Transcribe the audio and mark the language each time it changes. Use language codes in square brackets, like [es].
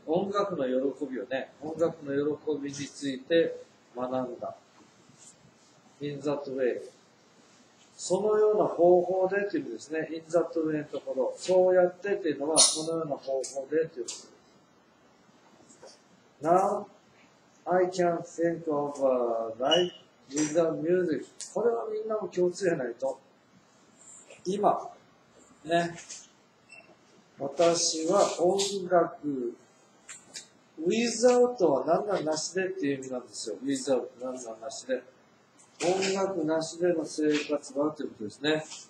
[ja] 音楽の喜びをね、音楽の喜びについて学んだ。 [en] In that way. [ja] そのような方法でっていうんですね。 in that way のところ。そうやってっていうのは、そのような方法でっていうんです。 [en] Now, I can think of a life without music. [ja] これはみんなも共通やないと。今、ね。私は音楽、without は何なんなしでっていう意味なんですよ。 without、何なんなしで。音楽なしでの生活はということですね。